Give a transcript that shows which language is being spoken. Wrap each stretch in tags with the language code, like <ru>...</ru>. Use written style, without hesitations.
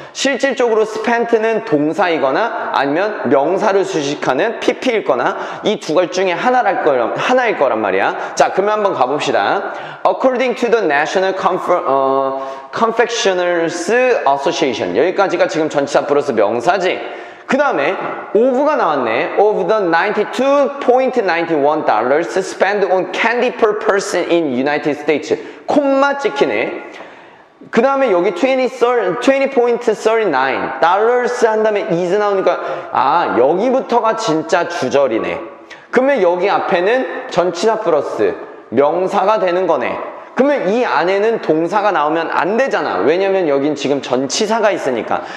<ko>실질적으로 spent는 동사이거나 아니면 명사를 수식하는 pp일 거나 이 두 가지 중에 하나일 거란 말이야. 자, 그러면 한번 가봅시다.</ko> <en>According to the National Confectioners Association.</en> <ko>여기까지가 지금 전치사 플러스 명사지. 그 다음에 of가 나왔네.</ko> <en>Of the $92.91 spent on candy per person in United States.</en> <ko>콤마 찍히네. 그 다음에 여기 $20.39 한 다음에 is 나오니까 아 여기부터가 진짜 주절이네. 그러면 여기 앞에는 전치사 플러스 명사가 되는 거네. 그러면 이 안에는 동사가 나오면 안 되잖아. 왜냐면 여긴 지금 전치사가 있으니까.</ko>